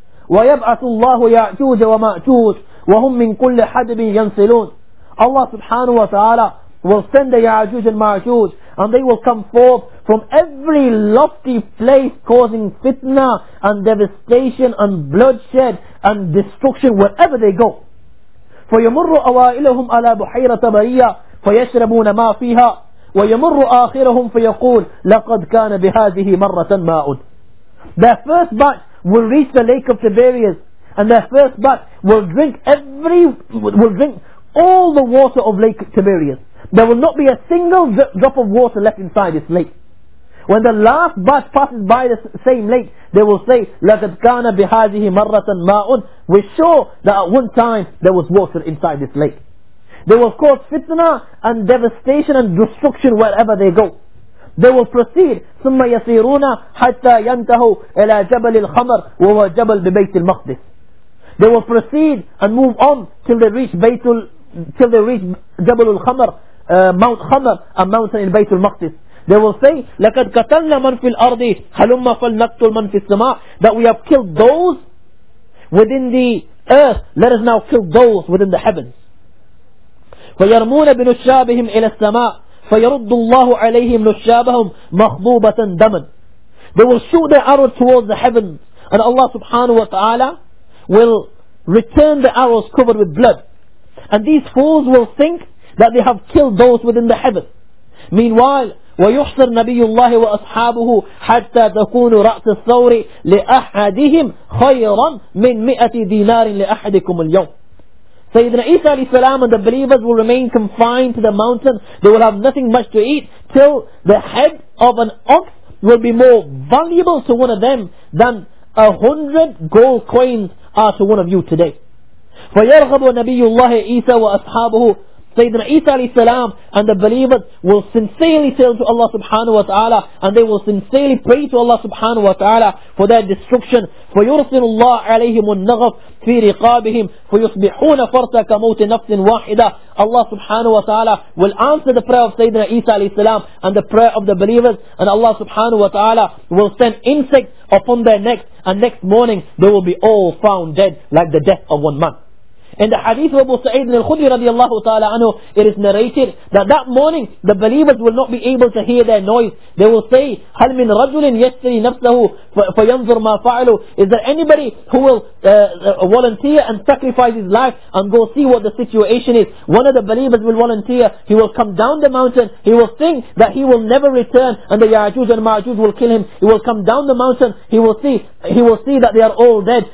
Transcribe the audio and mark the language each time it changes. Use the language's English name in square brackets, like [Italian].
[Arabic] وَيَبْعَثُ اللَّهُ يَعْجُوجَ وَمَأْجُوجَ وَهُمْ مِنْ كُلِّ حَدْبٍ يَنْسِلُونَ. [English] Allah subhanahu wa ta'ala will send the Ya'juj and Ma'juj, and they will come forth from every lofty place causing fitna and devastation and bloodshed and destruction wherever they go. [Arabic] فَيَمُرُّ أَوَائِلُهُمْ عَلَى بُحَيْرَةَ بَرِيَّةٍ فَيَشْرَبُونَ مَا فِيهَا وَيَمُرُّ آخِرَهُمْ فَيَقُولُ لَقَدْ كَانَ بِهَذِهِ مَرَّةً مَاءٌ. [English] Their first batch will reach the Lake of Tiberias, and their first bat will drink every, will drink all the water of Lake Tiberias. There will not be a single drop of water left inside this lake. When the last bat passes by the same lake, they will say, [Arabic] لَقَدْ كَانَ بِهَذِهِ مَرَّةً مَاءٌ. [English] We're sure that at one time there was water inside this lake. They will cause fitna and devastation and destruction wherever they go. They will proceed, [Arabic] ثُمَّ يَسِيرُونَ حَتَّى يَنْتَهُوا إِلَى جَبَلِ الْخَمَرِ وَهُوَ جَبَلْ بِبَيْتِ الْمَقْدِسِ. [English] They will proceed and move on till they reach Baytul, till they reach Jabal al-Khamar, Mount Khamar, a mountain in Baytul Maqdis. They will say, [Arabic] لَكَدْ قَتَلْنَا مَنْ فِي الْأَرْضِ حَلُمَّ فَلْنَقْتُلْ مَنْ فِي السَّمَاءِ. [English] That we have killed those within the earth, let us now kill those within the heavens. [Arabic] فَيَرْمُونَ بِنُشَّابِهِمْ إِلَى السَّمَاءِ فَيَرُدُّ اللَّهُ عَلَيْهِمْ نُشَّابَهُمْ مَخْضُوبَةً دَمًا. [English] They will shoot their arrows towards the heavens, and Allah subhanahu wa ta'ala will return the arrows covered with blood. And these fools will think that they have killed those within the heavens. Meanwhile, [Arabic] وَيُحْصَرْ نَبِيُّ اللَّهِ وَأَصْحَابُهُ حَتَّى تَكُونُ رَأْسَ الثَّوْرِ لِأَحَدِهِمْ خَيْرًا مِنْ مِئَةِ دِينَارٍ لِأَحَدِكُمُ الْيَوْمِ. [English] Sayyidina Isa alayhi salam and the believers will remain confined to the mountain. They will have nothing much to eat till the head of an ox will be more valuable to one of them than 100 gold coins are to one of you today. [Arabic] فَيَرْغَبُ نَبِيُّ اللَّهِ إِيسَى وَأَصْحَابُهُ. [English] Sayyidina Isa alayhi salam and the believers will sincerely tell to Allah subhanahu wa ta'ala, and they will sincerely pray to Allah subhanahu wa ta'ala for their destruction. [Arabic] فَيُرْسِلُ اللَّهُ عَلَيْهِمُ النَّغَفْ فِي رِقَابِهِمْ فَيُصْبِحُونَ فَرْتَ كَمَوْتِ نَفْسٍ وَاحِدَةٍ. [English] Allah subhanahu wa ta'ala will answer the prayer of Sayyidina Isa alayhi salam and the prayer of the believers, and Allah subhanahu wa ta'ala will send insects upon their necks, and next morning they will be all found dead like the death of one man. In the hadith of Abu Sa'id al-Khudri radiallahu ta'ala anhu, it is narrated that morning the believers will not be able to hear their noise. They will say, [Arabic] هَلْ مِنْ رَجُلٍ يَسْتَرِي نَفْسَهُ فَيَنْظُرْ مَا فَعَلُ. [English] Is there anybody who will volunteer and sacrifice his life and go see what the situation is? One of the believers will volunteer. He will come down the mountain. He will think that he will never return, and the Ya'juj and Ma'juj will kill him. He will come down the mountain. He will see that they are all dead.